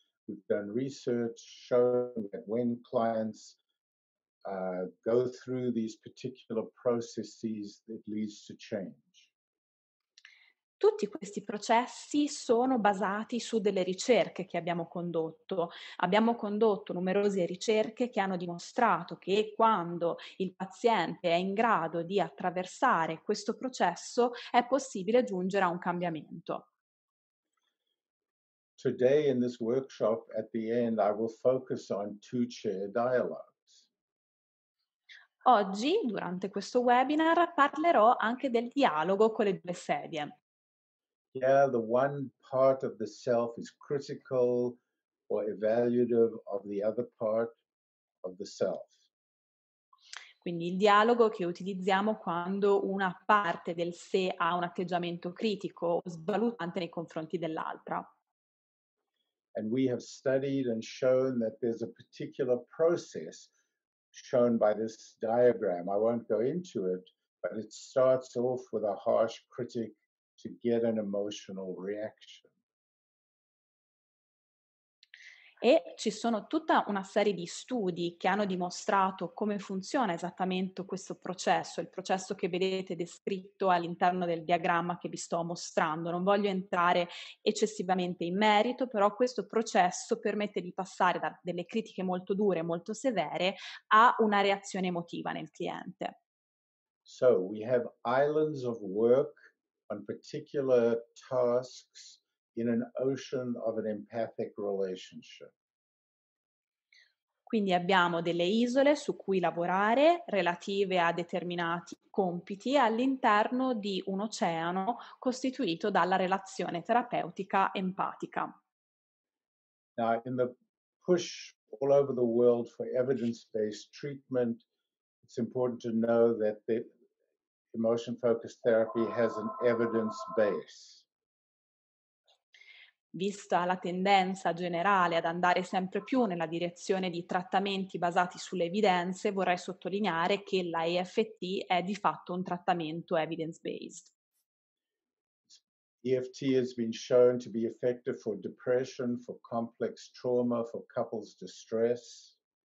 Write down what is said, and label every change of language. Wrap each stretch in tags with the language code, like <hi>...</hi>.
<en>We've done research showing that when clients go through these particular processes, it leads to change.</en> <it>Tutti questi processi sono basati su delle ricerche che abbiamo condotto. Abbiamo condotto numerose ricerche che hanno dimostrato che quando il paziente è in grado di attraversare questo processo, è possibile giungere a un cambiamento.</it> <en>Today in this workshop, at the end, I will focus on two-chair dialogues.</en> <it>Oggi, durante questo webinar, parlerò anche del dialogo con le due sedie.</it> <en>Yeah, the one part of the self is critical or evaluative of the other part of the self.</en> <it>Quindi il dialogo che utilizziamo quando una parte del sé ha un atteggiamento critico o svalutante nei confronti dell'altra.</it> <en>And we have studied and shown that there's a particular process shown by this diagram. I won't go into it, but it starts off with a harsh critic to get an emotional reaction.</en> <it>E ci sono tutta una serie di studi che hanno dimostrato come funziona esattamente questo processo, il processo che vedete descritto all'interno del diagramma che vi sto mostrando. Non voglio entrare eccessivamente in merito, però questo processo permette di passare da delle critiche molto dure, molto severe, a una reazione emotiva nel cliente.</it> <en>So, we have islands of work on particular tasks in an ocean of an empathic relationship.</en> <it>Quindi abbiamo delle isole su cui lavorare relative a determinati compiti all'interno di un oceano costituito dalla relazione terapeutica empatica.</it> <en>Now, in the push all over the world for evidence-based treatment, it's important to know that the emotion-focused therapy has an evidence base.</en> <it>Vista la tendenza generale ad andare sempre più nella direzione di trattamenti basati sulle evidenze, vorrei sottolineare che la EFT è di fatto un trattamento evidence-based.</it> <en>EFT has been shown to be effective for depression, for complex trauma, for couples distress.</en>